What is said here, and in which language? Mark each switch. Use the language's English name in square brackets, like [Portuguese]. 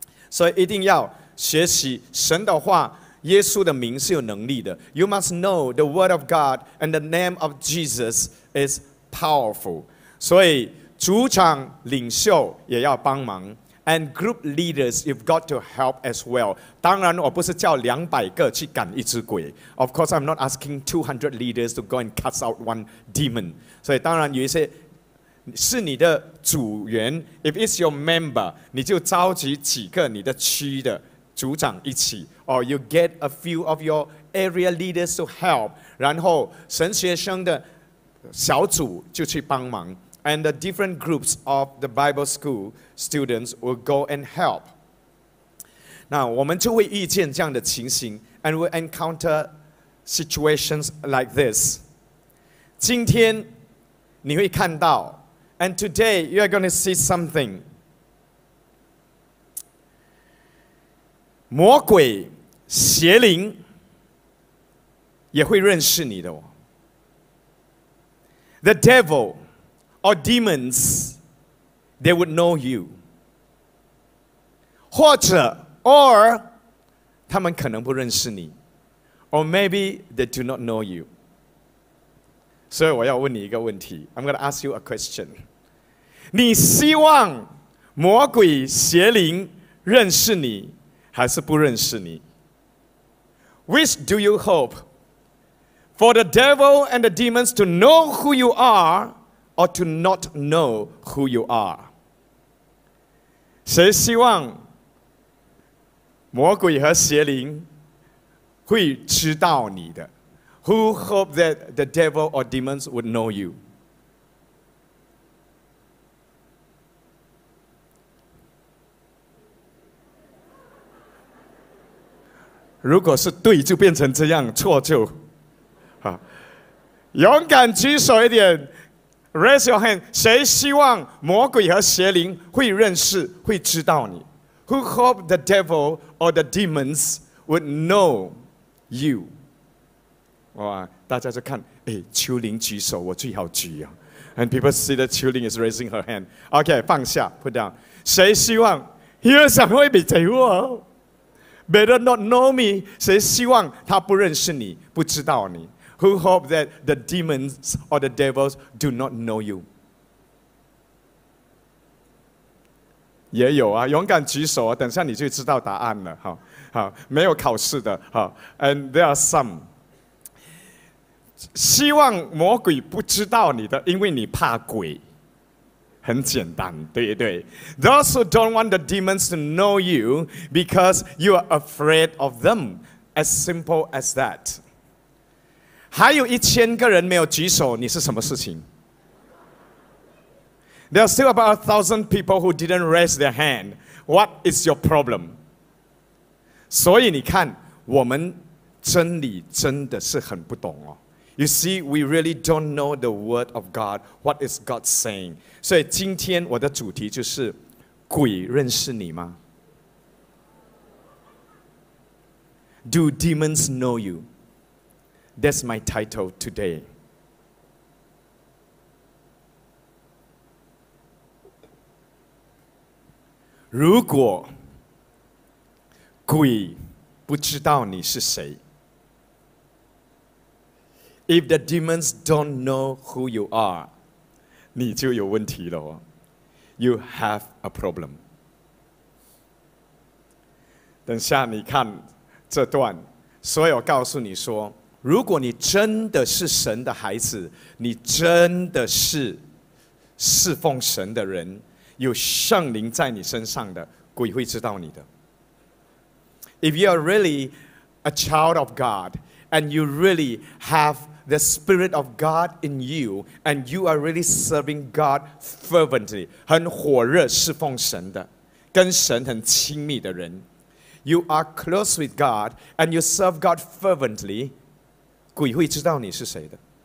[Chinese] 所以一定要学习神的话，耶稣的名是有能力的。 [English] You must know the word of God and the name of Jesus is powerful. [Chinese] 所以主场领袖也要帮忙。 [English] And group leaders, you've got to help as well. [Chinese] 当然我不是叫200个去赶一只鬼。 [English] Of course, I'm not asking 200 leaders to go and cast out one demon. [Chinese] 所以当然有一些是你的组员， [English] if it's your member, [Chinese] 你就召集几个你的区的组长一起， [English] or you get a few of your area leaders to help, [Chinese] 然后神学生的小组就去帮忙。 [English] And the different groups of the Bible school students will go and help. [Chinese] 那我们就会遇见这样的情形 [English] and we'll encounter situations like this. [Chinese] 今天你会看到 [English] and today you are going to see something. [Chinese] 魔鬼、邪灵也会认识你的哦。 [English] The devil. Or demons, they would know you. [Chinese] 或者 [English] or [Chinese] 他们可能不认识你 [English] or maybe they do not know you. [Chinese] 所以我要问你一个问题 [English] I'm going to ask you a question. [Chinese] 你希望魔鬼邪灵认识你还是不认识你？ [English] Which do you hope? For the devil and the demons to know who you are? Or to not know who you are. [Chinese] 谁希望魔鬼和邪灵会知道你的？ [English] Who hope that the devil or demons would know you? [Chinese] 如果是对就变成这样，错就好。勇敢举手一点。 [English] Raise your hand. [Chinese] 谁希望魔鬼和邪灵会认识、会知道你？ [English] Who hope the devil or the demons would know you? [Chinese] 哇，大家就看，秋玲举手，我最好举啊。 [English] And people see that 秋玲 is raising her hand. [Chinese] Okay, 放下 ， [English] put down. [Chinese] 谁希望？有想会比谁我 ？ [English] Better not know me. [Chinese] 谁希望他不认识你、不知道你？ [English] Who hope that the demons or the devils do not know you? [Chinese] 也有啊，勇敢举手啊，等下你就知道答案了。好，没有考试的。好 ， [English] and there are some. [Chinese] 希望魔鬼不知道你的，因为你怕鬼，很简单，对不对？ [English] Those who don't want the demons to know you because you are afraid of them, as simple as that. [Chinese] 还有一千个人没有举手，你是什么事情？ [English] There are still about 1,000 people who didn't raise their hand. What is your problem? [Chinese] 所以你看，我们真理真的是很不懂哦。 [English] You see, we really don't know the word of God. What is God saying? [Chinese] 所以今天我的主题就是，鬼认识你吗？ [English] Do demons know you? That's my title today. [Chinese] 如果鬼不知道你是谁， [English] If the demons don't know who you are, [Chinese] 你就有问题了。 [English] You have a problem. [Chinese] 等下你看这段，所以我告诉你说，如果你真的是神的孩子，你真的是侍奉神的人，有圣灵在你身上的，鬼会知道你的。 [English] If you are really a child of God, and you really have the Spirit of God in you, and you are really serving God fervently, [Chinese] 很火热侍奉神的，跟神很亲密的人， [English] you are close with God, and you serve God fervently, [Chinese] 鬼会知道你是谁的。